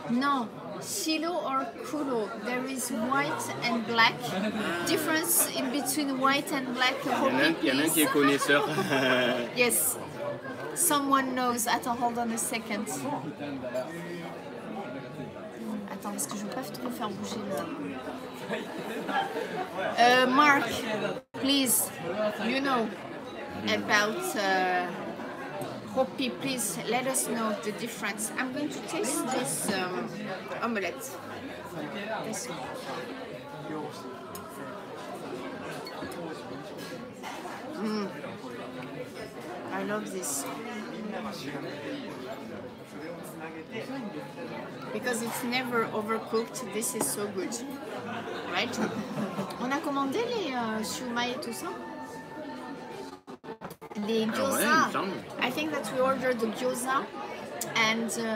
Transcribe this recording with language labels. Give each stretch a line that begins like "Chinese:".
English: Non, Shilo or Kuro, there is white and black. Difference in between white and black.
French: Il y en a un qui est connaisseur.
English: Yes, someone knows.
French: Attends,
English: hold on a second.
French: Attends, parce que je ne veux pas trop faire bouger le...
English: Mark, please, you know about Hopi, please let us know the difference. I'm going to taste this omelette. This one. I love this. Because it's never overcooked, this is so good, right?
French: On a commandé les shumai et tout ça? Les gyoza. Ah ouais,
English: I think that we ordered the gyoza and...